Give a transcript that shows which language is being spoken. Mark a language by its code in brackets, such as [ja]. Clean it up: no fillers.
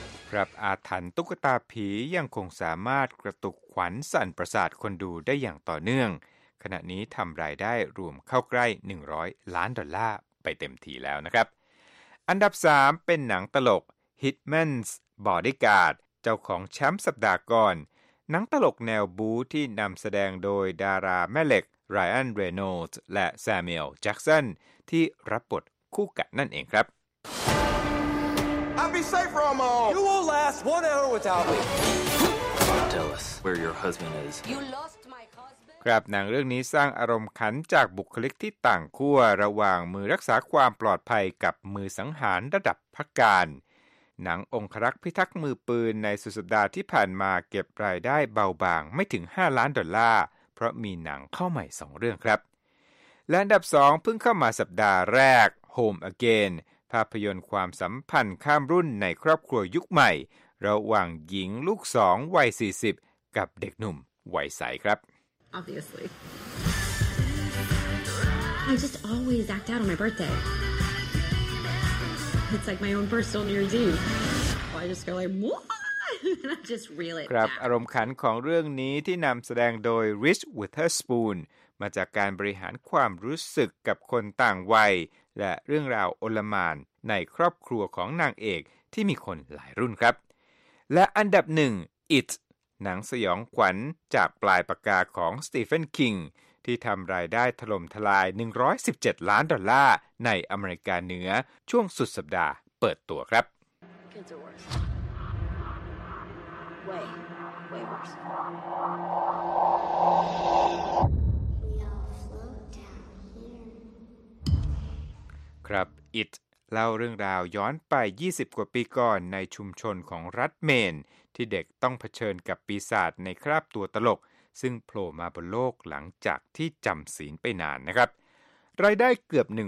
[th] ครับอาถรรพ์ตุ๊กตาผียังคงสามารถกระตุกขวัญสั่นประสาทคนดูได้อย่างต่อเนื่องขณะนี้ทำรายได้รวมเข้าใกล้100ล้านดอลลาร์ไปเต็มทีแล้วนะครับอันดับ3เป็นหนังตลก Hitman's Bodyguard เจ้าของแชมป์สัปดาห์ก่อนหนังตลกแนวบู๊ที่นำแสดงโดยดาราแม่เหล็ก Ryan Reynolds และ Samuel Jackson ที่รับบทคู่กันนั่นเองครับ [en] I'll be safe from all. You won't last 1 hour without me. Tell us where your husband is. You lost my husband. [th] ครับหนังเรื่องนี้สร้างอารมณ์ขันจากบุคลิกที่ต่างขั้วระหว่างมือรักษาความปลอดภัยกับมือสังหารระดับพระการหนังองครักษ์พิทักษ์มือปืนในสุดสัปดาห์ที่ผ่านมาเก็บรายได้เบาบางไม่ถึง5ล้านดอลลาร์เพราะมีหนังเข้าใหม่2เรื่องครับและอันดับ2เพิ่งเข้ามาสัปดาห์แรก Home Againภาพยนตร์ความสัมพันธ์ข้ามรุ่นในครอบครัวยุคใหม่ระหว่างหญิงลูกสองวัย40กับเด็กหนุ่มวัยใสครับ [en] Obviously I just always act out on my birthday It's like my own personal New Year's Eve I just go like whoa and I just reel it [th] ครับอารมณ์ขันของเรื่องนี้ที่นำแสดงโดย Reese Witherspoon มาจากการบริหารความรู้สึกกับคนต่างวัยและเรื่องราวโอลหม่านในครอบครัวของนางเอกที่มีคนหลายรุ่นครับและอันดับ1 It หนังสยองขวัญจากปลายปากกาของสตีเฟนคิงที่ทำรายได้ถล่มทลาย117ล้านดอลลาร์ในอเมริกาเหนือช่วงสุดสัปดาห์เปิดตัวครับ [en] Kids are worse. Way worse. [th] ครับ It เล่าเรื่องราวย้อนไป20กว่าปีก่อนในชุมชนของรัฐเมนที่เด็กต้องเผชิญกับปีศาจในคราบตัวตลกซึ่งโผล่มาบนโลกหลังจากที่จำศีลไปนานนะครับรายได้เกือบ